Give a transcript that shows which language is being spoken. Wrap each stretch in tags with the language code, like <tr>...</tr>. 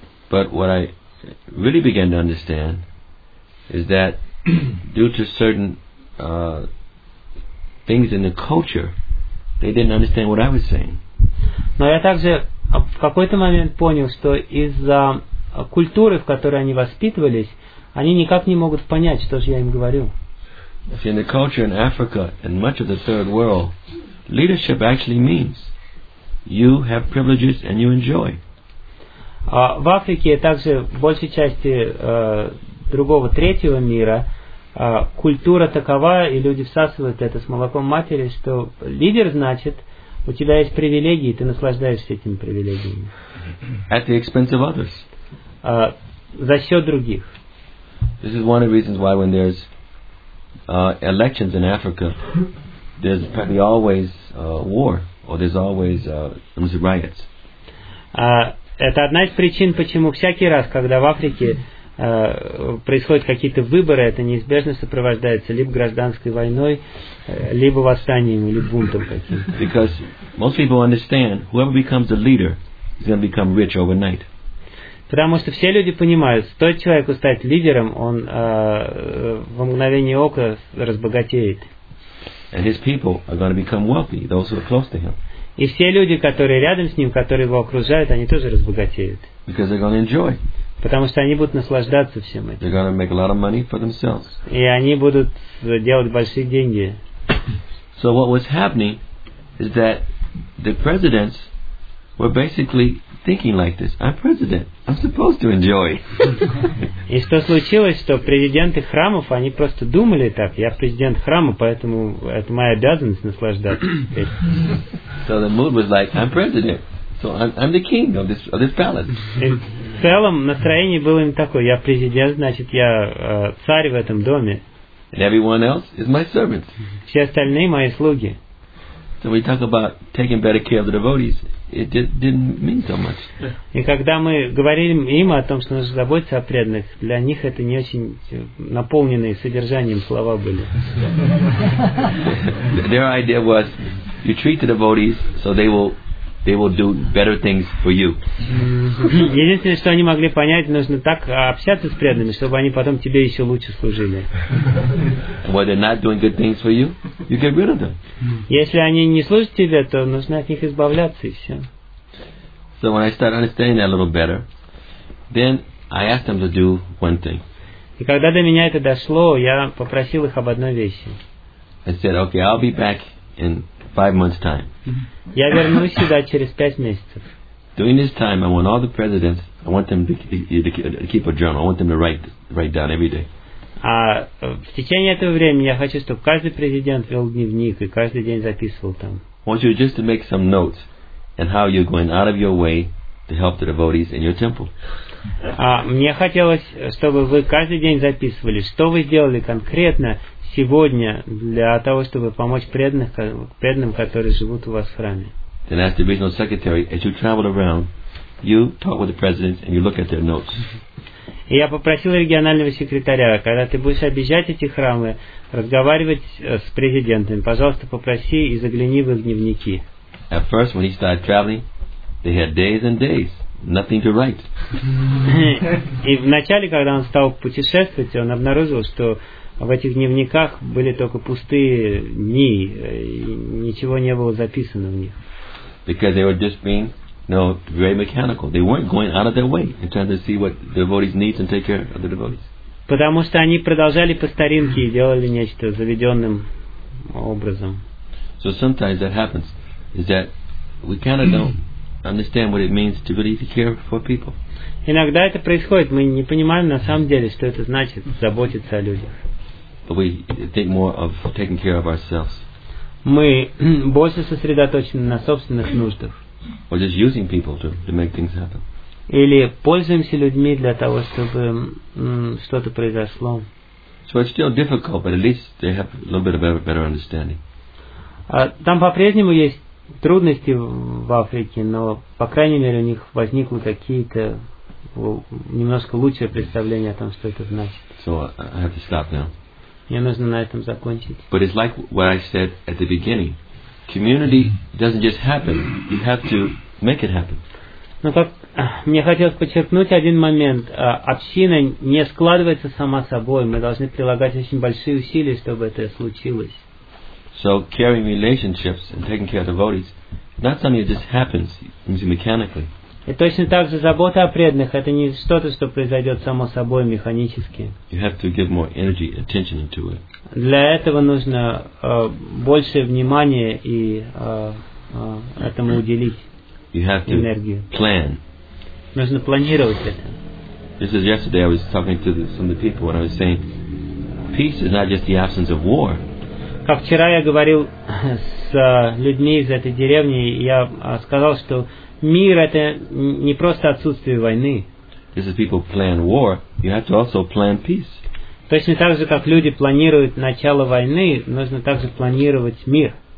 <en>But what I really began to understand is that due to certain things in the culture, they didn't understand what I was saying.</en> <ru>Но я также в какой-то момент понял, что из-за культуры, в которой они воспитывались, они никак не могут понять, что же я им говорю.</ru> <en>See, in the culture in Africa and much of the third world, leadership actually means you have privileges and you enjoy.</en> <ru>В Африке, также в большей части другого третьего мира, культура такова, и люди всасывают это с молоком матери, что лидер значит, у тебя есть привилегии, ты наслаждаешься этими привилегиями.</ru> <en>At the expense of others.</en> <ru>За счет других.</ru> <en>This is one of the reasons why when there's elections in Africa, there's probably always war, or there's always riots.</en> <ru>Это одна из причин, почему всякий раз, когда в Африке происходят какие-то выборы, это неизбежно сопровождается либо гражданской войной, либо восстанием, или бунтом каким-то.</ru> <en>Because most people understand, whoever becomes the leader is going to become rich overnight.</en> <ru>Потому что все люди понимают, стоит человеку стать лидером, он во мгновение ока разбогатеет.</ru> <en>And his people are going to become wealthy, those who are close to him.</en> <ru>И все люди, которые рядом с ним, которые его окружают, они тоже разбогатеют.</ru> <en>Because they're going to enjoy.</en> <ru>Потому что они будут наслаждаться всем этим.</ru> <en>They're going to make a lot of money for themselves.</en> <ru>И они будут делать большие деньги.</ru> <en>So what was happening is that the presidents were basically thinking like this: I'm president, I'm supposed to enjoy.</en> <ru>И что случилось, что президенты храмов, они просто думали так: я президент храма, поэтому это моя обязанность наслаждаться.</ru> <en>So the mood was like, I'm president, so I'm the king of this palace.</en> <ru>И в целом настроение было им такое: я президент, значит, я царь в этом доме.</ru> <en>And everyone else is my servants.</en> <ru>Все остальные мои слуги.</ru> <en>So we talk about taking better care of the devotees. It didn't mean so much.</en> <ru>И когда мы говорили им о том, что нужно заботиться о преданных, для них это не очень наполненные содержанием слова были.</ru> <en>Their idea was, you treat the devotees, so they will do better things for you.</en> <ru>Единственное, что они могли понять, нужно так общаться с преданными, чтобы они потом тебе еще лучше служили.</ru> <en>When they're not doing good things for you, you get rid of them.</en> <ru>Если они не служат тебе, то нужно от них избавляться, и все.</ru> <en>So when I start understanding that a little better, then I ask them to do one thing.</en> <ru>И когда до меня это дошло, я попросил их об одной вещи.</ru> <en>I said, okay, I'll be back in 5 months' time.</en> <ru>Я вернусь сюда через 5 месяцев.</ru> <en>During this time, I want all the presidents. I want them to keep a journal. I want them to write down every day.</en> <ru>А в течение этого времени я хочу, чтобы каждый президент вел дневник и каждый день записывал там.</ru> <en>I want you just to make some notes and how you're going out of your way to help the devotees in your temple.</en> <ru>А мне хотелось, чтобы вы каждый день записывали, что вы сделали конкретно сегодня для того, чтобы помочь преданным, которые живут у вас в храме.</ru> <en>Then ask the regional secretary, as you travel around, you talk with the presidents and you look at their notes.</en> <ru>И я попросил регионального секретаря, когда ты будешь объезжать эти храмы, разговаривать с президентами, пожалуйста, попроси и загляни в их дневники.</ru> <en>At first, when he started traveling, they had days and days. Nothing to write.</en> <ru>И в начале, когда он стал путешествовать, он обнаружил, что в этих дневниках были только пустые дни, ничего не было записано в них.</ru> <en>Because they were just being, very mechanical. They weren't going out of their way in trying to see what the devotees need and take care of the devotees.</en> <ru>Потому что они продолжали по старинке и делали нечто заведенным образом.</ru> <en>So sometimes that happens, is that we kind of don't understand what it means to really care for people.</en> <ru>Иногда это происходит, мы не понимаем на самом деле, что это значит заботиться о людях.</ru> <en>But we think more of taking care of ourselves.</en> <ru>Мы больше сосредоточены на собственных нуждах.</ru> <en>Or just using people to make things happen.</en> <ru>Или пользуемся людьми для того, чтобы что-то произошло.</ru> <en>So it's still difficult, but at least they have a little bit of a better understanding.</en> <ru>Там по-прежнему есть трудности в Африке, но по крайней мере у них возникло какие-то немножко лучшее представление о том, что это значит.</ru> <en>So I have to stop now.</en> <ru>Мне нужно на этом закончить.</ru> <en>But it's like what I said at the beginning. Community doesn't just happen. You have to make it happen.</en> <ru>Но как мне хотелось подчеркнуть один момент. Община не складывается сама собой. Мы должны прилагать очень большие усилия, чтобы это случилось.</ru> <en>So caring relationships and taking care of devotees, not something that just happens mechanically.</en> <ru>И точно так же забота о преданных – это не что-то, что произойдет само собой механически.</ru> <en>You have to give more energy, attention to it.</en> <ru>Для этого нужно больше внимания и этому уделить</ru> <en>you have</en> <ru>энергию.</ru> <en>To plan.</en> <ru>Нужно планировать это.</ru> <en>This is yesterday I was talking to some of the people and I was saying, peace is not just the absence of war.</en> <ru>Как вчера я говорил с людьми из этой деревни, я сказал, что мир – это не просто отсутствие войны.</ru> <en>This is people plan war, you have to also plan peace.</en> <ru>Точно так же, как люди планируют начало войны, нужно также планировать мир.</ru>